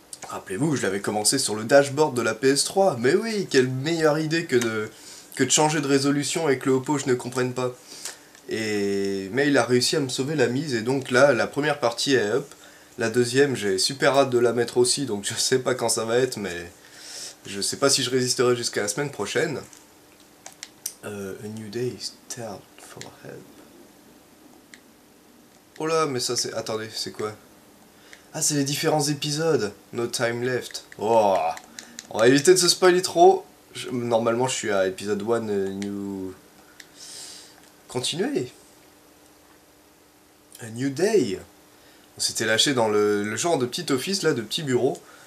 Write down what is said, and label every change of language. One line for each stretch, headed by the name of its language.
French: Rappelez-vous, je l'avais commencé sur le dashboard de la PS3. Mais oui, quelle meilleure idée que de changer de résolution et que le Oppo, je ne comprenne pas. Mais il a réussi à me sauver la mise, et donc là, la première partie est up. La deuxième, j'ai super hâte de la mettre aussi, donc je sais pas quand ça va être, mais je sais pas si je résisterai jusqu'à la semaine prochaine.
English: A new day is start for help.
French: Oh là, mais ça c'est... Attendez, c'est quoi? Ah, c'est les différents épisodes.
English: No time left.
French: Oh. On va éviter de se spoiler trop. Normalement, je suis à épisode 1, new... Continuez.
English: A new day.
French: On s'était lâché dans le genre de petit office, là, de petit bureau.